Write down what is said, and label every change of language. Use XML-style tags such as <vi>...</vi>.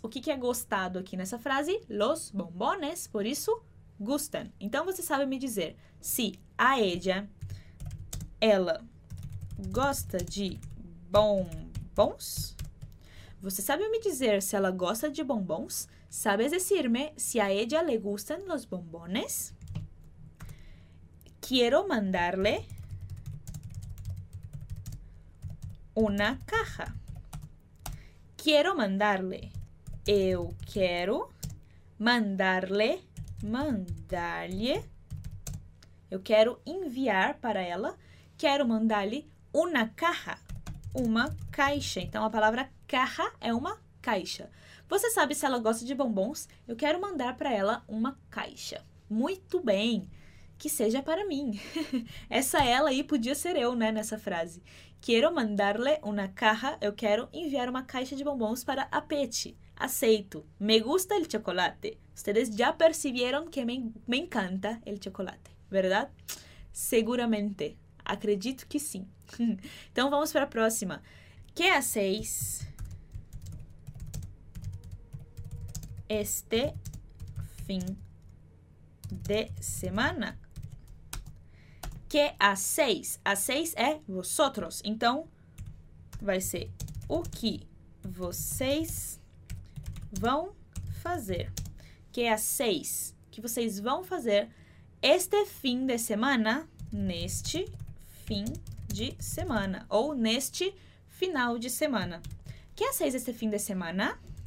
<pt>O que é gostado aqui nessa frase?</pt> <es>Los bombones.</es> <pt>Por isso, gustan. Então, você sabe me dizer se a ella, ela gosta de bombons? Você sabe me dizer se ela gosta de bombons?</pt> <es>Sabes decirme si a ella le gustan los bombones? Quiero mandarle una caja. Quiero mandarle.</es> <pt>Eu quero mandarle, mandarle. Eu quero enviar para ela. Quero</pt> <es>mandarle una caja.</es> <pt>Uma caixa. Então, a palavra caja é uma caixa. Você sabe se ela gosta de bombons? Eu quero mandar para ela uma caixa. Muito bem! Que seja para mim. Essa ela aí podia ser eu, né, nessa frase.</pt> <es>Quiero mandarle una caja.</es> <pt>Eu quero enviar uma caixa de bombons para a Peti. Aceito.</pt> <es>Me gusta el chocolate. Ustedes</es> <pt>já perceberam que</pt> <es>me encanta el chocolate.</es> <pt>Verdade? Seguramente. Acredito que sim. Então, vamos para a próxima.</pt> <es>¿Qué hacéis este fin de semana? ¿Qué hacéis? Hacéis é vosotros.</es> <pt>Então, vai ser o que vocês vão fazer.</pt> <es>¿Qué hacéis?</es> <pt>Que vocês vão fazer este fim de semana, neste fim de semana. Ou neste final de semana.</pt> <es>¿Qué hacéis este fim de semana?</es>